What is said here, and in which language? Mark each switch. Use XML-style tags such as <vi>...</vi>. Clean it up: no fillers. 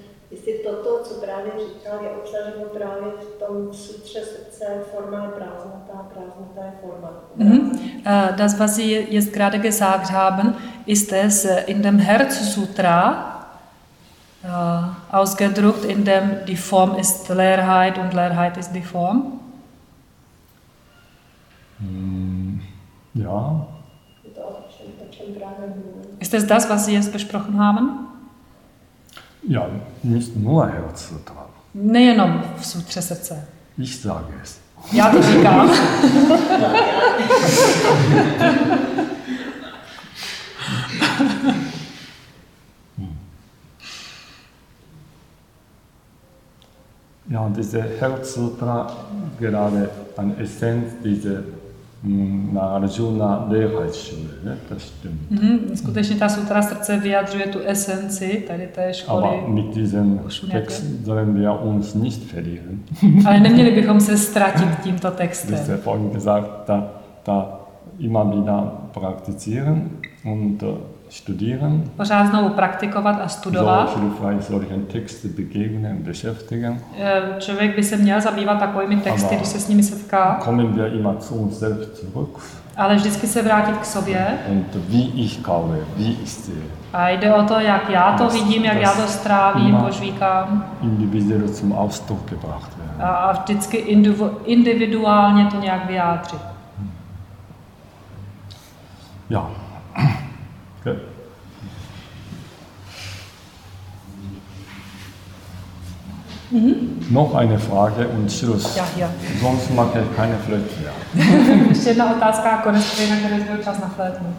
<cs>Jestli toto, co právě říkal, je obsaženo právě v tom sutře srdce, forma je prázdnota, prázdnota je forma. Mm-hmm.</cs> <de>Das, was Sie jetzt gerade gesagt haben, ist es in dem Herzsutra ausgedruckt, in dem die Form ist Leerheit und Leerheit ist die Form? Ja. Ist es das, was Sie jetzt besprochen haben? Ja, nicht nur Herzsutra.</de> <cs>Nejenom v sutře srdce.</cs> <de>Ich sage es.</de> <cs>Já to říkám.</cs> <de>Ja, und diese Herzsutra, gerade an Essenz, diese Narajuna Leerheitsschule, ne? Das stimmt. Mm-hmm.</de> <cs>Skutečně ta sutra srdce vyjadřuje tu esenci tady té školy.</cs> <de>Aber mit diesem Text sollen wir uns nicht verlieren.</de> <cs>Ale neměli bychom se ztratit tímto textem.</cs> <de>Das ist ja vorhin gesagt, da immer wieder praktizieren und studieren.</de> <cs>Pořád znovu praktikovat a studovat.</cs> <de>So hilfreich solchen Texte begegnen, beschäftigen.</de> <cs>Člověk by se měl zabývat takovými texty, když se s nimi setká.</cs> <de>Kommen wir immer zu uns selbst zurück.</de> <cs>Ale vždycky se vrátit k sobě.</cs> <de>Und wie ich glaube, wie ich sehe.</de> <cs>A jde o to, jak já to vidím, jak já to strávím, požvíkám.</cs> <de>Individuell zum Ausdruck gebracht werden.</de> <cs>A vždycky individuálně to nějak vyjádřit.</cs> <de>Ja. Mhm. Noch eine Frage und Schluss. Ja, ja. Sonst mache ich keine Flöte mehr.</de> <cs>Ještě jedna otázka, konec, protože jsme byl čas na flöten.</cs>